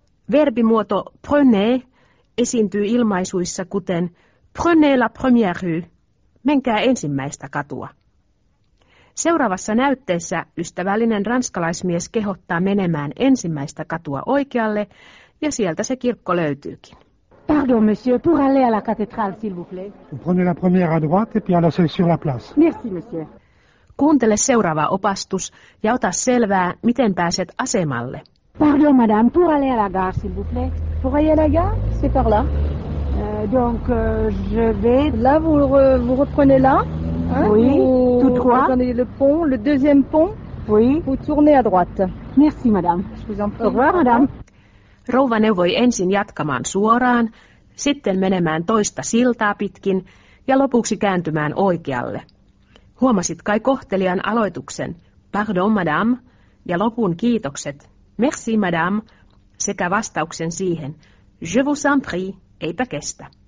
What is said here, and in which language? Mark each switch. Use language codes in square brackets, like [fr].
[fi] Verbimuoto prenez esiintyy ilmaisuissa kuten [fr] prenez la première rue, [fi] menkää ensimmäistä katua. Seuraavassa näytteessä ystävällinen ranskalaismies kehottaa menemään ensimmäistä katua oikealle, ja sieltä se kirkko löytyykin. [fr] Pardon, monsieur, pour aller à la cathédrale, s'il vous plaît. Vous prenez la première à droite et puis à la seule sur la place. Merci, monsieur. [fi] Kuuntele seuraava opastus ja ota selvää, miten pääset asemalle. [fr] Pardon, madame, pour aller à la gare, s'il vous plaît. Pour aller à la gare, c'est par là. Donc, je vais... Là, vous reprenez là. Hein, oui, vous, tout droit. Vous prenez le pont, le deuxième pont. Oui. Vous tournez à droite. Merci, madame. Je vous en prie. Au revoir, madame. [fi] Rouva neuvoi ensin jatkamaan suoraan, sitten menemään toista siltaa pitkin ja lopuksi kääntymään oikealle. Huomasit kai kohtelijan aloituksen, [fr] pardon, madame, [fi] ja lopun kiitokset, [fr] merci, madame, [fi] sekä vastauksen siihen, [fr] je vous en prie, [fi] eipä kestä.